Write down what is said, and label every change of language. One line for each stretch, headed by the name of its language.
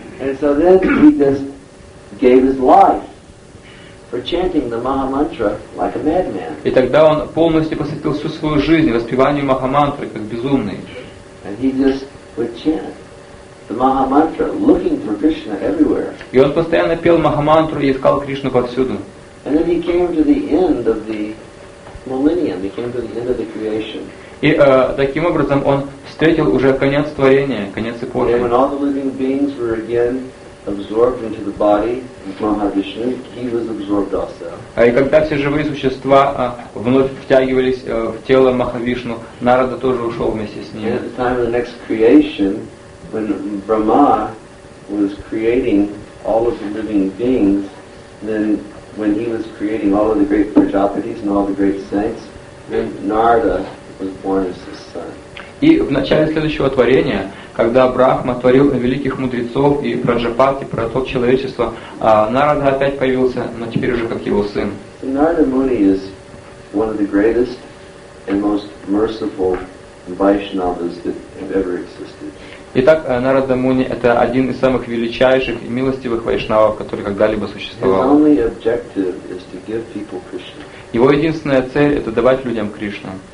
English: And so then he just gave his life for chanting the Maha Mantra like a madman.
Russian: И тогда он полностью посвятил всю свою жизнь воспеванию Маха Мантры как безумный.
English: And he just would chant the Maha Mantra, looking for Krishna everywhere.
Russian: И он постоянно пел Маха Мантру и искал Кришну повсюду.
English: And then he came to the end of the millennium. He came to the end of the creation.
Russian: И таким образом он встретил уже конец творения, конец эпохи.
English: And when all the living beings were again absorbed into the body of Mahavishnu, he was absorbed also.
Russian: А и когда все живые существа вновь втягивались в тело Махавишну, Нарада тоже ушел вместе с ним.
English: At the time of the next creation, when Brahma was creating all of the living beings, then when he was creating all of the great Prajapatis and all the great saints, then Narada was born as his son.
Russian: И в начале следующего творения, когда Брахма творил великих мудрецов и Праджапат, и Пратот человечества, Нарада опять появился, но теперь уже как его сын.
English: Narada Muni is one of the greatest and most merciful Vaishnavas that have ever existed.
Russian: Итак, Нарада Муни — это один из самых величайших и милостивых вайшнавов, который когда-либо существовал.
English: His only objective is to give people Krishna.
Russian: Его единственная цель — это давать людям Кришну.